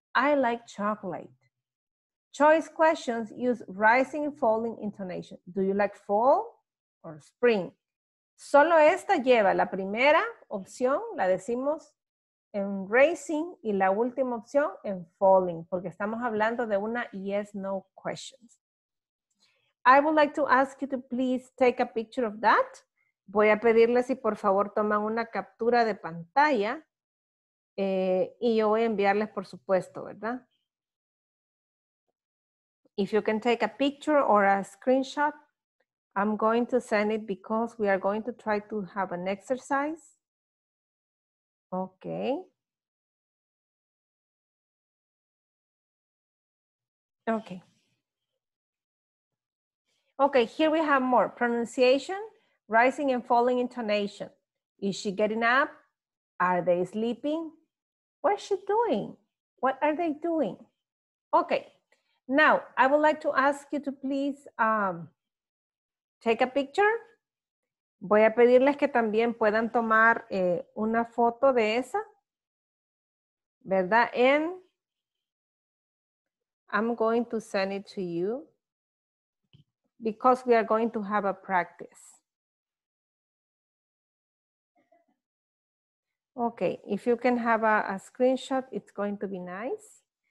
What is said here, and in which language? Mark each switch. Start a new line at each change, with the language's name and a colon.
English: I like chocolate. Choice questions use rising and falling intonation. Do you like fall or spring?
Spanish: Solo esta lleva la primera opción, la decimos en rising, y la última opción en falling, porque estamos hablando de una yes-no questions.
English: I would like to ask you to please take a picture of that.
Spanish: Voy a pedirles si por favor toman una captura de pantalla y yo voy a enviarles, por supuesto, ¿verdad?
English: If you can take a picture or a screenshot, I'm going to send it because we are going to try to have an exercise. Okay. Okay. Okay, here we have more. Pronunciation, rising and falling intonation. Is she getting up? Are they sleeping? What is she doing? What are they doing? Okay, now I would like to ask you to please take a picture.
Spanish: Voy a pedirles que también puedan tomar una foto de esa, ¿verdad?
English: And I'm going to send it to you because we are going to have a practice. Okay, if you can have a screenshot, it's going to be nice.